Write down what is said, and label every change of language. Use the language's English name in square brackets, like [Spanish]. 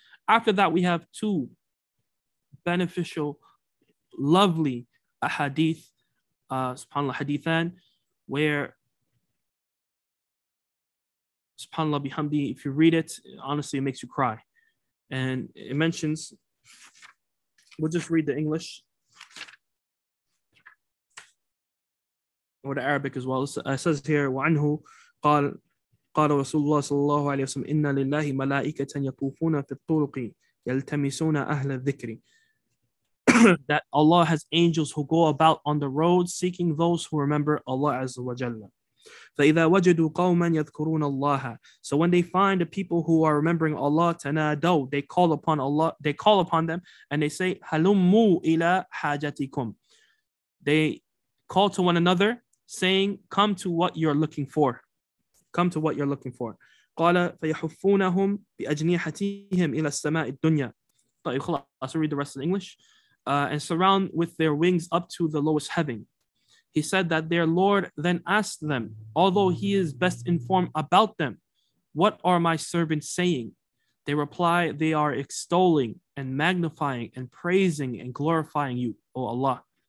[English] After that, we have two beneficial, lovely hadith, subhanAllah, hadithan, where, subhanAllah, bihamdi, if you read it, honestly, it makes you cry. And it mentions, we'll just read the English, or the Arabic as well. It says here, وَعَنْهُ [Arabic] قال رسول الله صلى الله عليه وسلم إن لله ملائكة يطوفون في الطرق يلتمسون أهل الذكر. [English] That Allah has angels who go about on the road seeking those who remember Allah Azza wa Jalla. [Arabic] فإذا وجدوا قوما يذكرون الله. [English] So when they find the people who are remembering Allah, تنادوا, they call upon Allah, they call upon them and they say [Arabic] هلموا إلى حاجتكم. [English] They call to one another saying, come to what you're looking for. Come to what you're looking for. [Arabic] قال فيحفونهم بأجنيحتهم إلى السماء الدنيا. طيب خلاص, [English] let's read the rest in English. And surround with their wings up to the lowest heaven. He said that their Lord then asked them, although he is best informed about them, what are my servants saying? They reply, they are extolling and magnifying and praising and glorifying you, O Allah.